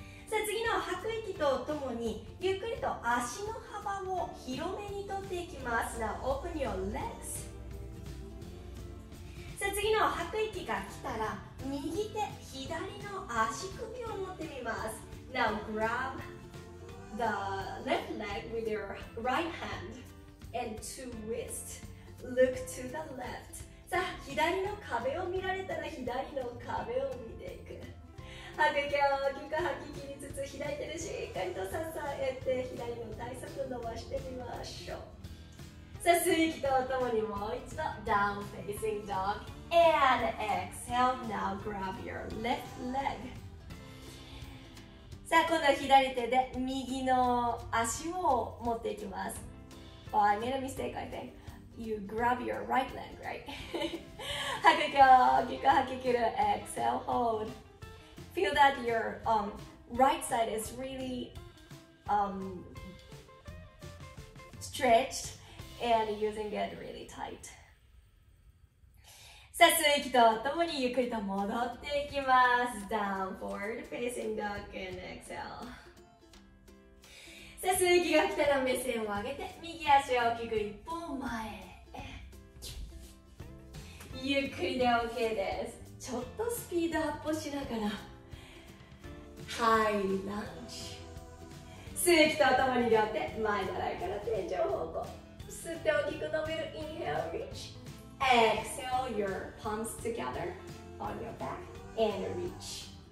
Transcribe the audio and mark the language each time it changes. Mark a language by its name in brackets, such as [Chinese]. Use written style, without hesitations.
[Japanese] さあ、次の吐く息とともにゆっくりと足の幅を広めにとっていきます。 [English] Now open your legs. [Japanese] さあ、次の吐く息が来たら右手、左の足首を持ってみます。 [English] Now grab the left leg with your right hand and twist. Look to the left. [Japanese] さあ左の壁を見られたら左の壁を見ていく。吐く息を大きく吐き切りつつ、左手でしっかりと支えて左の体側を伸ばしてみましょう。さあ吸い息とともにもう一度 [English] down facing dog and exhale. Now grab your left leg. [Japanese] さあ今度は左手で右の足を持っていきます。 [English] Oh, I made a mistake, I think. You grab your right leg, right? [Japanese] 吐く息を大きく吐き切る。 [English] Exhale, hold. Feel that your right side is really stretched and using it really tight. [Japanese] さあ吸う息とともにゆっくりと戻っていきます。 [English] Down forward facing dog and exhale。 [Japanese] さあ吸う息が来たら目線を上げて右足を大きく一歩前へ。ゆっくりで OK です。ちょっとスピードアップしながら High lunge。吸う息とともに両手前の台から天井方向、吸って大きく伸びる。 [English] Inhale reachExhale your palms together on your back and reach.